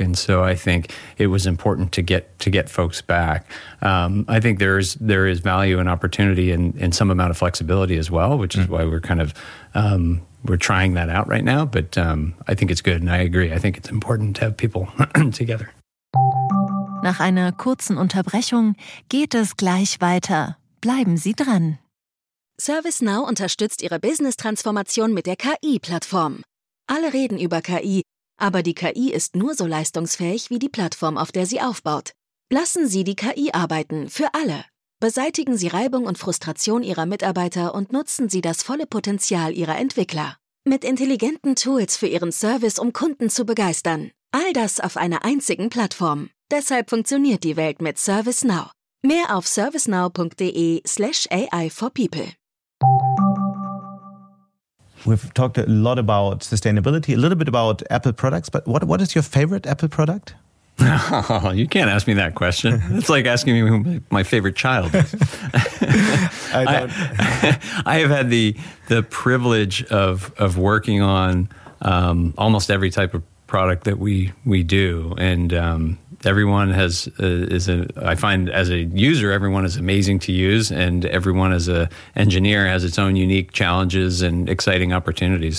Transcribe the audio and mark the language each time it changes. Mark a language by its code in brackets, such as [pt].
[en] And so I think it was important to get folks back. I think there is value and opportunity in some amount of flexibility as well, which is why we're kind of we're trying that out right now. But I think it's good, and I agree. I think it's important to have people together. [de] Nach einer kurzen Unterbrechung geht es gleich weiter. Bleiben Sie dran. ServiceNow unterstützt Ihre Business-Transformation mit der KI-Plattform. Alle reden über KI, aber die KI ist nur so leistungsfähig wie die Plattform, auf der sie aufbaut. Lassen Sie die KI arbeiten für alle. Beseitigen Sie Reibung und Frustration Ihrer Mitarbeiter und nutzen Sie das volle Potenzial Ihrer Entwickler. Mit intelligenten Tools für Ihren Service, um Kunden zu begeistern. All das auf einer einzigen Plattform. Deshalb funktioniert die Welt mit ServiceNow. Mehr auf servicenow.de/AI4People. [en] We've talked a lot about sustainability, a little bit about Apple products, but what is your favorite Apple product? Oh, you can't ask me that question. It's like asking me who my favorite child is. I have had the privilege of working on almost every type of product that we do, and everyone has I find as a user, everyone is amazing to use, and everyone as a engineer has its own unique challenges and exciting opportunities.